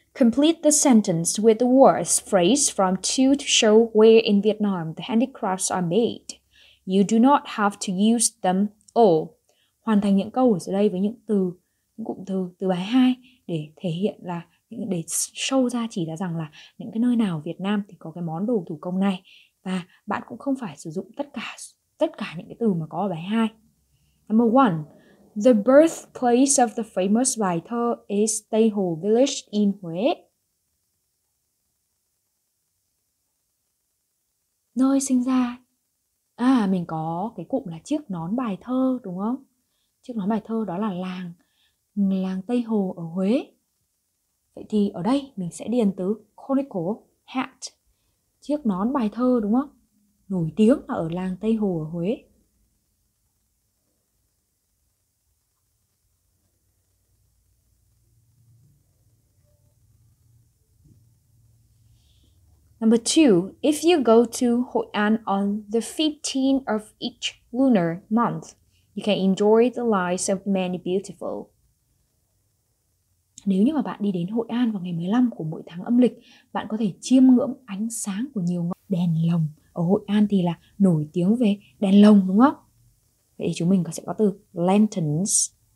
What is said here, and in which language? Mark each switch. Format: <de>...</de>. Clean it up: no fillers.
<en>Complete the sentence with the words phrase from 2 to show where in Vietnam the handicrafts are made. You do not have to use them all.</en> <vi>Hoàn thành những câu ở dưới đây với những từ, những cụm từ từ bài 2 để thể hiện là, để show ra chỉ ra rằng là những cái nơi nào ở Việt Nam thì có cái món đồ thủ công này. Và bạn cũng không phải sử dụng tất cả những cái từ mà có ở bài 2.</vi> <en>Number 1. The birthplace of the famous writer is Tây Hồ Village in Huế.</en> <vi>Nơi sinh ra. À, mình có cái cụm là chiếc nón bài thơ, đúng không? Chiếc nón bài thơ đó là làng Tây Hồ ở Huế. Vậy thì ở đây mình sẽ điền từ conical hat, chiếc nón bài thơ, đúng không? Nổi tiếng là ở làng Tây Hồ ở Huế.</vi> <en>Number 2. If you go to Hội An on the 15th of each lunar month, you can enjoy the lights of many beautiful.</en> <vi>Nếu như mà bạn đi đến Hội An vào ngày 15 của mỗi tháng âm lịch, bạn có thể chiêm ngưỡng ánh sáng của nhiều ngọn đèn lồng. Ở Hội An thì là nổi tiếng về đèn lồng, đúng không? Vậy thì chúng mình sẽ có từ lanterns.</vi>